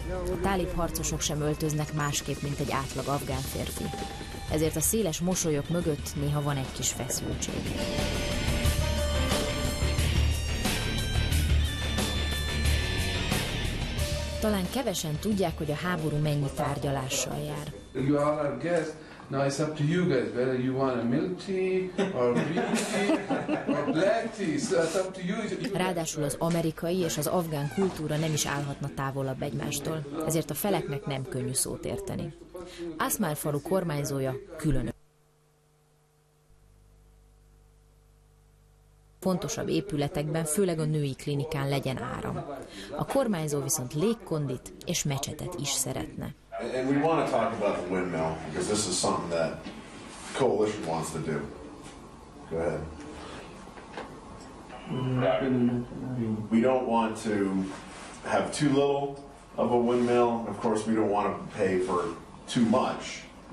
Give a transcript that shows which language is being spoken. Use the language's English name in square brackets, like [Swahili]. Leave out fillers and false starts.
[Hungarian] A tálib harcosok sem öltöznek másképp, mint egy átlag afgán férfi. Ezért a széles mosolyok mögött néha van egy kis feszültség. Talán kevesen tudják, hogy a háború mennyi tárgyalással jár. [English] Now it's up to you guys, whether you want a milk tea, or green tea, or black tea, so it's up to you. [Hungarian] Ráadásul az amerikai és az afgán kultúra nem is állhatna távolabb egymástól, ezért a feleknek nem könnyű szót érteni. Asmar falu kormányzója különös. Fontosabb épületekben, főleg a női klinikán legyen áram. A kormányzó viszont légkondit és mecsetet is szeretne. [English] And we want to talk about the windmill, because this is something that the coalition wants to do. Go ahead. We don't want to have too little of a windmill. Of course, we don't want to pay for too much.